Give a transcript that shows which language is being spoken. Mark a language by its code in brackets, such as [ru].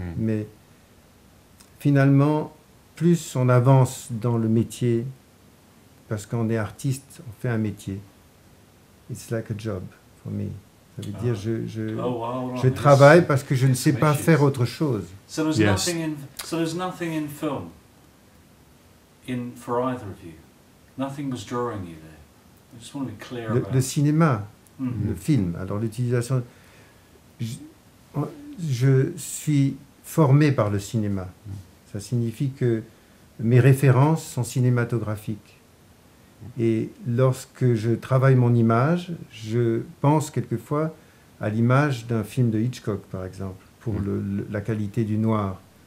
[fr] Mais finalement, plus on avance dans le métier, parce qu'on est artiste, on fait un métier. [en] It's like a job for me. [fr] Ça veut dire je travaille parce que je ne sais pas faire autre chose. [en] So there's nothing in film in for either of you. Nothing was drawing you there. I just want to be clear about [fr] le cinéma, le film. Alors l'utilisation, je suis formé par le cinéma. Ça signifie que mes références sont cinématographiques. Et lorsque je travaille mon image, je pense quelquefois à l'image d'un film de Hitchcock, par exemple, pour la qualité du noir.